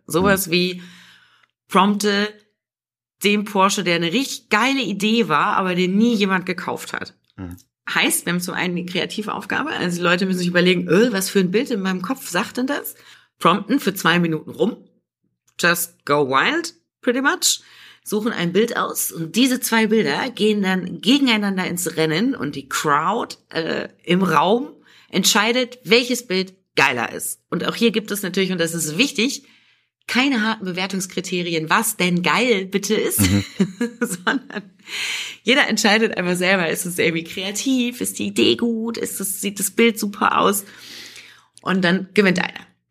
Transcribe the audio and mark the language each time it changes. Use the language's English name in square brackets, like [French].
[German] Sowas wie prompte den Porsche, der eine richtig geile Idee war, aber den nie jemand gekauft hat. Heißt, wir haben zum einen die kreative Aufgabe, also die Leute müssen sich überlegen, was für ein Bild in meinem Kopf sagt denn das? Prompten für 2 Minuten rum. [English] Just go wild, pretty much. [German] Suchen ein Bild aus und diese 2 Bilder gehen dann gegeneinander ins Rennen und die Crowd im Raum entscheidet, welches Bild geiler ist. Und auch hier gibt es natürlich, und das ist wichtig, keine harten Bewertungskriterien, was denn geil bitte ist, sondern jeder entscheidet einfach selber, ist es irgendwie kreativ, ist die Idee gut, sieht das Bild super aus und dann gewinnt einer.